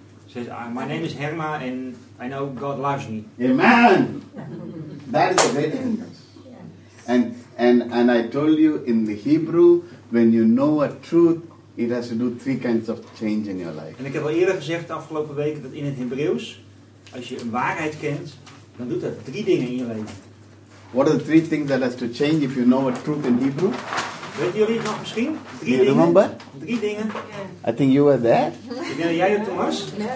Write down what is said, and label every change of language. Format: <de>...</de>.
<en>Says, my name is Herma and I know God loves me. Amen. That is a great thing. And I told you in the Hebrew, when you know a truth, it has to do 3 kinds of change in your life.</en> <nl>En ik heb al eerder gezegd de afgelopen weken dat in het Hebreeuws, als je een waarheid kent, dan doet dat 3 dingen in je leven.</nl> <en>What are the 3 things that has to change if you know a truth in Hebrew?</en> <nl>Weet jullie het nog misschien?</nl> <en>Remember?</en> <nl>3 dingen.</nl> <en>I think you were there.</en> <nl>Ik denk dat jij het toen was.</nl>